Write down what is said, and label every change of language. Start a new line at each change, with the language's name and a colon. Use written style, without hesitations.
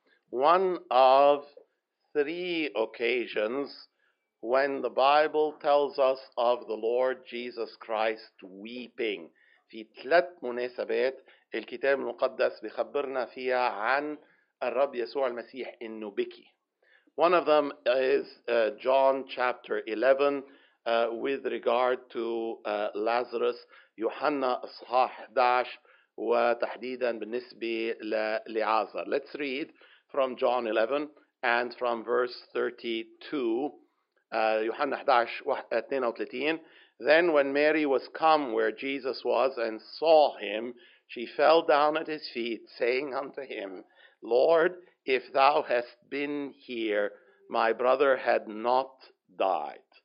English: One of three occasions when the Bible tells us of the Lord Jesus Christ weeping.
Arabic: في ثلاث مناسبات الكتاب المقدس بيخبرنا فيها عن الرب يسوع المسيح إنه بكي.
English: One of them is John chapter 11 with regard to Lazarus.
Arabic: يوحنا إصحاح 11 وتحديدا بالنسبة لعازر.
English: Let's read from John 11 and from verse 32.
Arabic: يوحنا 11:32.
English: Then when Mary was come where Jesus was and saw him, she fell down at his feet, saying unto him, Lord, if thou hast been here, my brother had not died.